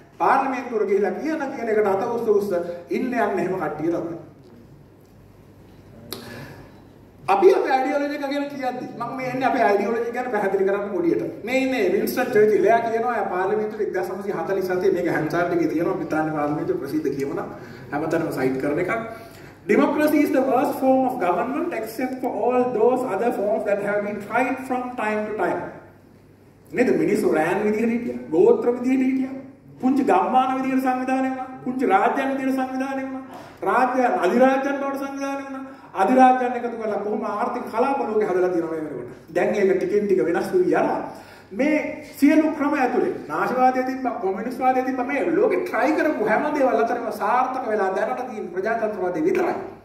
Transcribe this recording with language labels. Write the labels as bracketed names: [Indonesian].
[Sinhala] පාර්ලිමේන්තුවට ගිහිලා කියන කියන එකට අත උස්ස උස්ස ඉන්න යන්න එහෙම කට්ටිය තමයි. අපි අපේ ඐඩියොලොජි එක ගැන කියද්දි මම මේ ඉන්නේ අපේ ඐඩියොලොජි ගැන පැහැදිලි කරන්න පොඩියට. මේ ඉන්නේ වින්ස්ටන් චර්චිල් එයා කියනවා පාර්ලිමේන්තුවේ 1947 මේක හැන්සාඩ් එකේ තියෙනවා බ්‍රිතාන්‍ය පාර්ලිමේන්තුවේ ප්‍රසිද්ධ කියමන හැමතැනම සයිට් කරන එකක්. [English] Democracy is the worst form of government except for all those other forms that have been tried from time to time. [Sinhala] නේද මිනිස්සු රෑන් විදිහට හිටියා ගෝත්‍ර විදිහට හිටියා පුංචි ගම්මාන විදිහට සංවිධානය වුණා පුංචි රාජ්‍යයන් විදිහට සංවිධානය වුණා රාජ්‍ය අධිරාජ්‍යයන් බවට සංවිධානය වුණා අධිරාජ්‍යයන් එකතු කරලා කොහොම ආර්ථික කලාප ලෝකේ හදලා තියෙනවා මේ වෙනකොට. දැන් ඒක ටිකෙන් ටික වෙනස් වෙවි යනවා. මේ සියලු ක්‍රම ඇතුලේ නාශවාදී තිබ්බා, කොමියුනිස්ට්වාදී තිබ්බා මේ ලෝකේ try කරපු හැම දේවල් අතරම සාර්ථක වෙලා දැනට තියෙන ප්‍රජාතන්ත්‍රවාදී විතරයි.